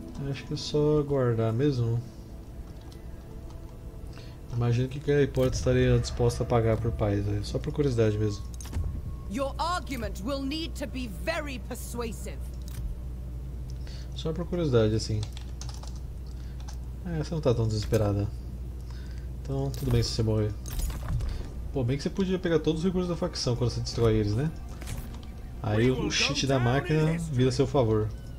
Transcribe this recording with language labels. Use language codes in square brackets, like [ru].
[pt] Acho que é só aguardar mesmo. Imagino que a Hipólita estaria disposta a pagar por paz, né? Só por curiosidade mesmo. [en] Your argument will need to be very persuasive. [pt] Só por curiosidade, assim. Você não tá tão desesperada. Então, tudo bem se você morrer. Pô, bem que você podia pegar todos os recursos da facção quando você destrói eles, né? Aí o cheat da máquina vira a seu favor.